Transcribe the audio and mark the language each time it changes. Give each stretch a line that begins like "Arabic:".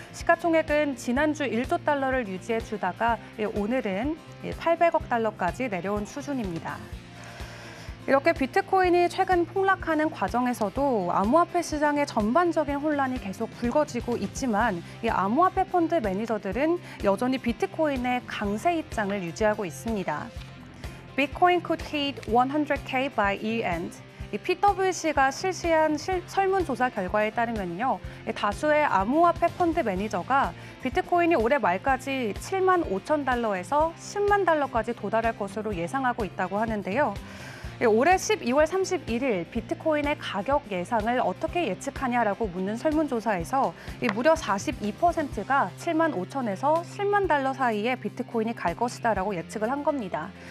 Korean: 시가총액은 지난주 1조 달러를 유지해주다가 오늘은 800억 달러까지 내려온 수준입니다. 이렇게 비트코인이 최근 폭락하는 과정에서도 암호화폐 시장의 전반적인 혼란이 계속 불거지고 있지만 이 암호화폐 펀드 매니저들은 여전히 비트코인의 강세 입장을 유지하고 있습니다.
English: Bitcoin could hit 100K by year-end.
Korean: PwC가 실시한 설문조사 결과에 따르면요, 다수의 암호화폐 펀드 매니저가 비트코인이 올해 말까지 7만 5천 달러에서 10만 달러까지 도달할 것으로 예상하고 있다고 하는데요. 올해 12월 31일 비트코인의 가격 예상을 어떻게 예측하냐라고 묻는 설문조사에서 무려 42%가 7만 5천에서 10만 달러 사이에 비트코인이 갈 것이다 라고 예측을 한 겁니다.